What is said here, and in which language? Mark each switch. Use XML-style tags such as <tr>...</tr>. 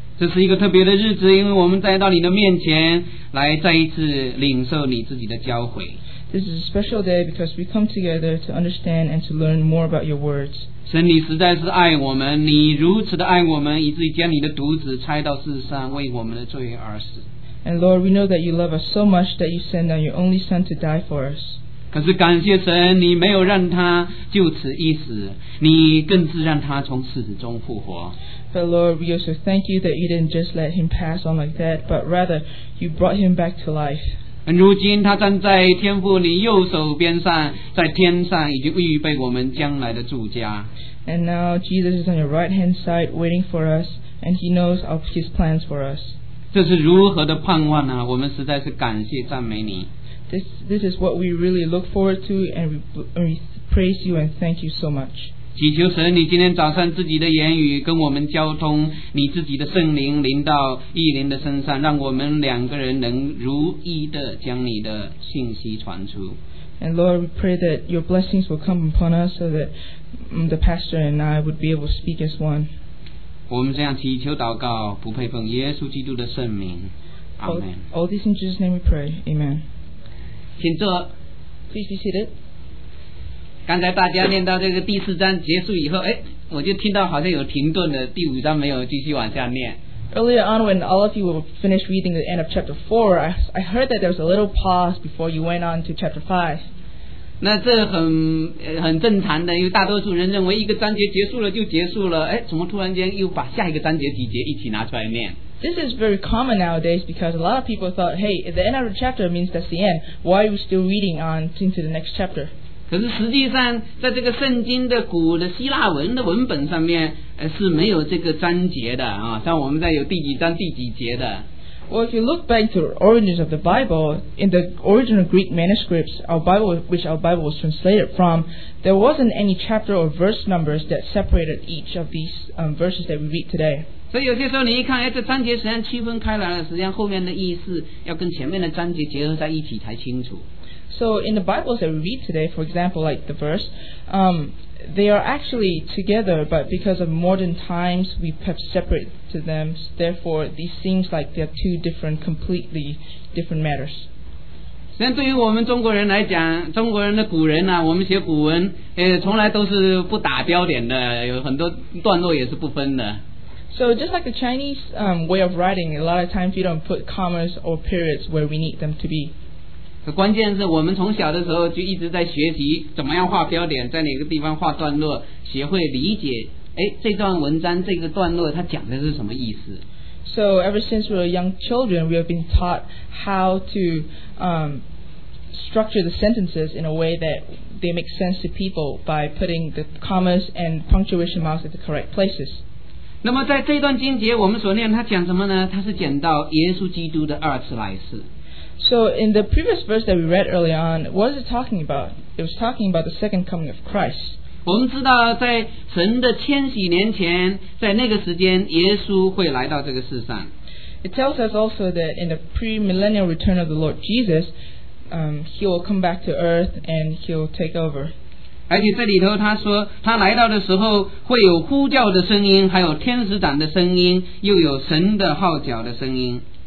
<zh>这是一个特别的日子，因为我们再到你的面前来再一次领受你自己的教诲。</zh> <en>This is a special day because we come together to understand and to learn more about your words.</en> <zh>神，你实在是爱我们，你如此的爱我们，以至于将你的独子差到世上为我们的罪而死。</zh> <en>And Lord, we know that you love us so much that you send down your only Son to die for us.</en> <zh>可是感谢神，你没有让他就此一死，你更是让他从死中复活。</zh> <en>But Lord, we also thank you that you didn't just let him pass on like that, but rather you brought him back to life.</en> <zh>如今他站在天父你右手边上，在天上已经预备我们将来的住家。</zh> <en>And now Jesus is on your right hand side waiting for us, and he knows of his plans for us.</en> <zh>这是如何的盼望啊！我们实在是感谢赞美你。</zh> <en>This is what we really look forward to, and we praise you and thank you so much.</en> <zh>祈求神，你今天早上自己的言语跟我们交通，你自己的圣灵临到义林的身上，让我们两个人能如一的将你的信息传出。</zh> <en>And Lord, we pray that your blessings will come upon us so that the pastor and I would be able to speak as one.</en> <zh>我们这样祈求祷告，不配奉耶稣基督的圣名。</zh> <en>Amen. All this in Jesus' name we pray. Amen.</en> <zh>请坐。</zh> <en>Please be seated.</en> <zh>刚才大家念到这个第四章结束以后，哎，我就听到好像有停顿的，第五章没有继续往下念。</zh> <en>Earlier on, when all of you were finished reading the end of chapter 4, I heard that there was a little pause before you went on to chapter 5.</en> <zh>那这很正常的，因为大多数人认为一个章节结束了就结束了，哎，怎么突然间又把下一个章节几节一起拿出来念？</zh> <en>This is very common nowadays because a lot of people thought, hey, the end of the chapter means that's the end. Why are we still reading on into the next chapter?</en> <zh>可是实际上在这个圣经的古的希腊文的文本上面是没有这个章节的啊，像我们在有第几章第几节的。</zh> <en>Well, if you look back to the origins of the Bible, in the original Greek manuscripts, which our Bible was translated from, there wasn't any chapter or verse numbers that separated each of these verses that we read today.</en> <zh>所以有些时候你一看，哎，这章节实际上区分开来了，实际上后面的意思要跟前面的章节结合在一起才清楚。</zh> <en>So in the Bibles that we read today, for example, like the verse, they are actually together, but because of modern times, we have separated to them. Therefore, these seems like they are two different, completely different matters.</en> <zh>实际上，对于我们中国人来讲，中国人的古人呐、啊，我们写古文，从来都是不打标点的，有很多段落也是不分的。</zh> <en>So just like the Chinese way of writing, a lot of times we don't put commas or periods where we need them to be.</en> <zh>关键是我们从小的时候就一直在学习怎么样画标点，在哪个地方画段落，学会理解这段文章这个段落它讲的是什么意思。</zh> <en>So ever since we were young children, we have been taught how to structure the sentences in a way that they make sense to people by putting the commas and punctuation marks at the correct places.</en> <zh>那么在这段经节我们所念它讲什么呢？它是讲到耶稣基督的二次来世。</zh> <en>So in the previous verse that we read early on, what is it talking about? It was talking about the second coming of Christ.</en> <zh>我们知道在神的千禧年前，在那个时间耶稣会来到这个世上。</zh> <en>It tells us also that in the pre-millennial return of the Lord Jesus, he will come back to earth and he will take over.</en> <zh>而且这里头他说他来到的时候会有呼叫的声音，还有天使长的声音，又有神的号角的声音。</zh>